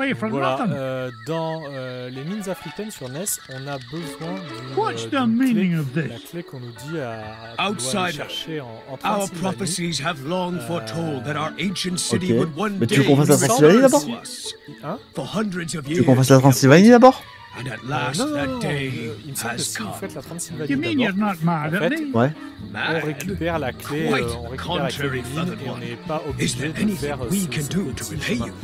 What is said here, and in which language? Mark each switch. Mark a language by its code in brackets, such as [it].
[fr] Voilà, dans les mines africaines sur NES, on a besoin d'une clé. La clé qu'on nous dit à chercher en [en] our prophecies have long foretold that our ancient city okay. would one [fr] Mais tu veux qu'on fasse la Transylvanie d'abord hein? Tu veux qu'on fasse la Transylvanie d'abord? [en] And at last that day has come. You mean you're not mad at me? [fr] Ouais. On récupère la clé, on récupère la clé, on n'est pas obligé de faire ce que nous pouvons faire.